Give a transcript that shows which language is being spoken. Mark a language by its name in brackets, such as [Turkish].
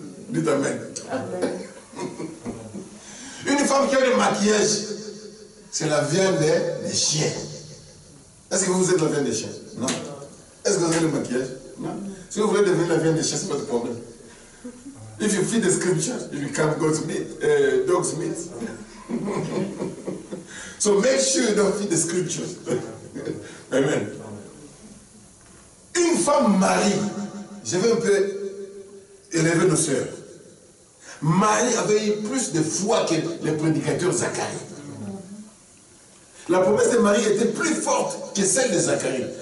[French] Dites amen. Amen. Une femme qui a le maquillage, c'est la viande des chiens. Est-ce que vous êtes la viande des chiens? Non. Est-ce que vous avez le maquillage? Non. Si vous voulez devenir la viande des chiens, ce n'est pas de problème. [English] If you feed the scriptures, you become God's meat, dog's meat. So make sure you don't feed the scriptures. [French] Amen. Une femme mariée, je vais un peu élever nos soeurs. Marie avait eu plus de foi que le prédicateur Zacharie. La promesse de Marie était plus forte que celle de Zacharie.